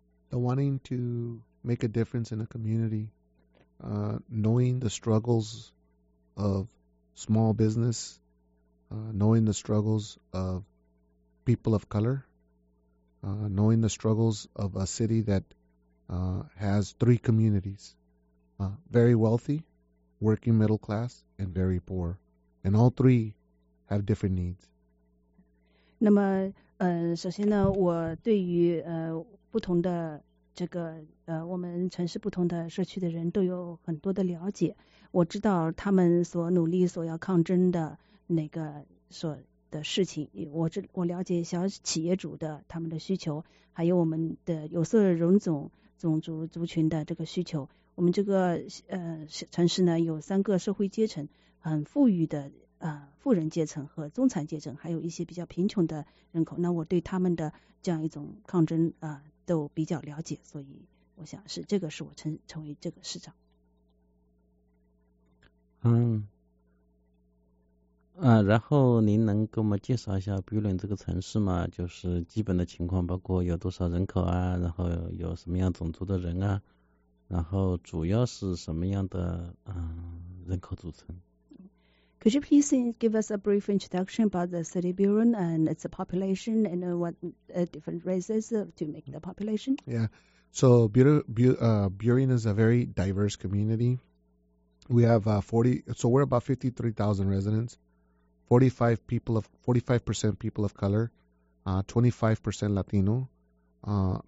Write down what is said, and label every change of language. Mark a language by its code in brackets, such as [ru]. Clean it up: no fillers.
[en] The wanting to make a difference in the community, knowing the struggles of small business, knowing the struggles of people of color, knowing the struggles of a city that has three communities, very wealthy, working middle class, and very poor. And all threehave different needs. [zh] 那么首先呢，我对于不同的这个我们城市不同的社区的人都有很多的了解。我知道他们所努力所要抗争的那个所的事情，我了解小企业主的他们的需求，还有我们的有色人种族族群的这个需求。我们这个城市呢有三个社会阶层，很富裕的富人阶层和中产阶层，还有一些比较贫穷的人口，那我对他们的这样一种抗争都比较了解，所以我想是这个是我成为这个市长。然后您能给我们介绍一下 Brilliant 这个城市吗？就是基本的情况，包括有多少人口啊，然后有什么样种族的人啊，然后主要是什么样的人口组成。 [en] Could you please give us a brief introduction about the city Buren and its population and what different races to make the population? Yeah, so Buren is a very diverse community. We have 53,000 residents, 45% people of color, 25% Latino.